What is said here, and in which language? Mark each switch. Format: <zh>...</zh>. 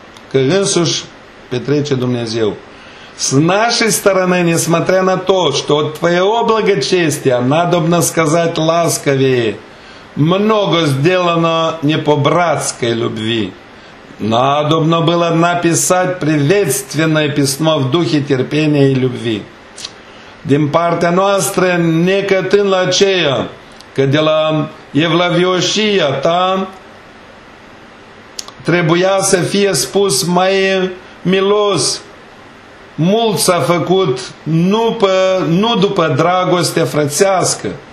<ro>Că însuși petrece Dumnezeu.</ro> <ru>С нашей стороны, несмотря на то, что от твоего благочестия, надобно сказать ласковее, много сделано не по братской любви. Надобно было написать приветственное письмо в духе терпения и любви.</ru> <ro>Din partea noastră, necătând la aceea, că de la Evlavioșia ta trebuia să fie spus mai milos, mult s-a făcut nu după dragoste frățească.</ro>